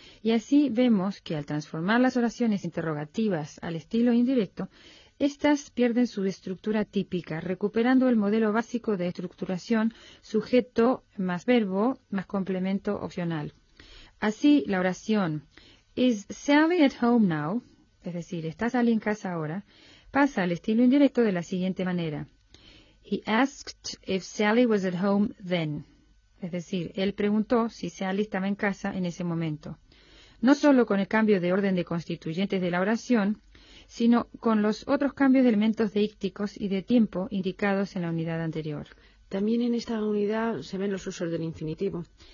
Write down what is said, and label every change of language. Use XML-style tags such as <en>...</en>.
<es>Y así vemos que al transformar las oraciones interrogativas al estilo indirecto, estas pierden su estructura típica, recuperando el modelo básico de estructuración sujeto más verbo más complemento opcional. Así, la oración</es> <en>Is Sally at home now?</en> <es>Es decir, ¿está Sally en casa ahora? Pasa al estilo indirecto de la siguiente manera.</es> <en>He asked if Sally was at home then.</en> <es>Es decir, él preguntó si Sally estaba en casa en ese momento. No solo con el cambio de orden de constituyentes de la oración, sino con los otros cambios de elementos deícticos y de tiempo indicados en la unidad anterior. También en esta unidad se ven los usos del infinitivo.</es>